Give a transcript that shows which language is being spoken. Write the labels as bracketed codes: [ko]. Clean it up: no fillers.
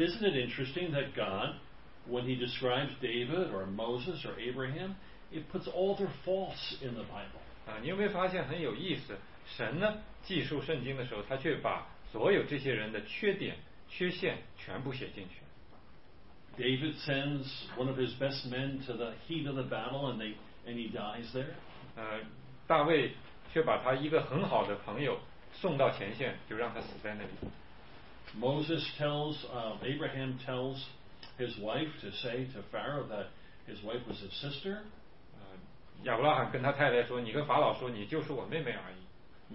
[en] isn't it interesting that God, when He describes David or Moses or Abraham, it puts all their faults in the Bible? [zh] 你有没有发现很有意思？神呢，记述圣经的时候，他却把所有这些人的缺点、缺陷全部写进去。 [en] David sends one of his best men to the heat of the battle, and he dies there. [zh] 大卫却把他一个很好的朋友送到前线，就让他死在那里。 [en] Moses tells, Abraham tells his wife to say to Pharaoh that his wife was his sister. [zh] 亚伯拉罕跟他太太说，你跟法老说，你就是我妹妹而已。